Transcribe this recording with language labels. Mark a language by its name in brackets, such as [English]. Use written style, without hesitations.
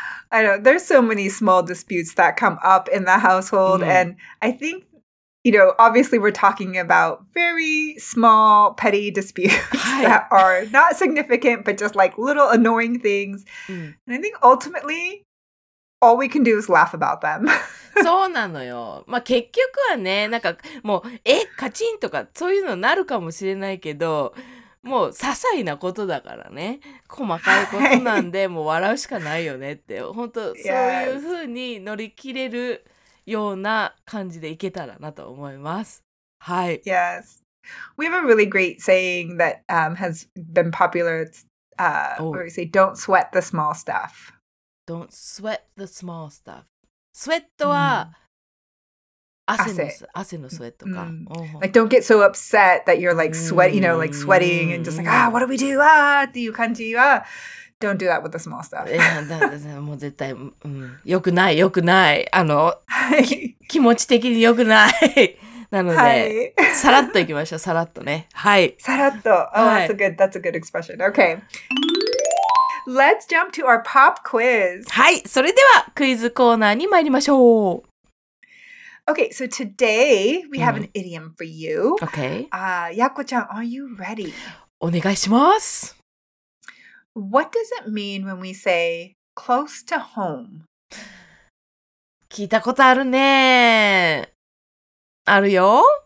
[English] I know there's so many small disputes that come up in the household, and I think, you know, obviously we're talking about very small, petty disputes that are not significant, but just like little annoying things. And I think ultimately, all we can do is laugh about them. [Japanese] そうなのよ。まあ結局はね、なんかもうえカチンとかそういうのなるかもしれないけど。もう些細なことだからね、細かいことなんで、もう笑うしかないよねって、本当そういう風に乗り切れるような感じでいけたらなと思います。はい。 [English] Yes, we have a really great saying that has been popular. Where we say, "Don't sweat the small stuff." Don't sweat the small stuff. Sweat [Japanese] は汗のスウェットか。 [English] Like, don't get so upset that you're like sweat, you know, like sweating and just like, ah, what do we do? Ah, [Japanese] っていう感じは、 [English] don't do that with the small stuff. [Japanese] もう絶対、よくない、よくない。気持ち的によくない。なので、はい、さらっといきましょう、さらっとね。はい。さらっと。 [English] Oh, that's a good expression. Okay. Let's jump to our pop quiz. [Japanese] はい。それでは、クイズコーナーに参りましょう。 [English] Okay, so today we have an idiom for you. Okay. Yako-chan, are you ready? [Japanese] お願いします。 [English] What does it mean when we say close to home? [Japanese] 聞いたことあるね。あるよ。